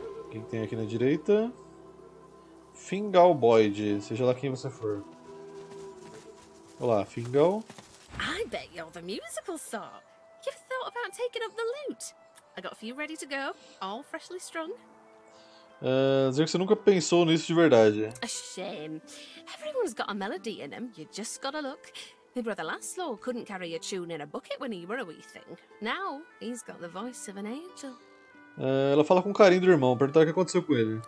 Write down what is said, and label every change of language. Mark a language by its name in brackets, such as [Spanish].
[Portuguese] Quem tem aqui na direita? Fingal Boyd, seja lá quem você for. Olá, Fingal. [English] I bet you're the musical star. You've thought about taking up the lute. I got a few ready to go, all freshly strung. [Portuguese] Dizer que você nunca pensou nisso de verdade. [English] A shame. Everyone's got a melody in them, you just gotta look. My brother Laszlo couldn't carry a tune in a bucket when he were a wee thing. Now he's got the voice of an angel. [Portuguese] Ela fala com carinho do irmão, perguntar o que aconteceu com ele.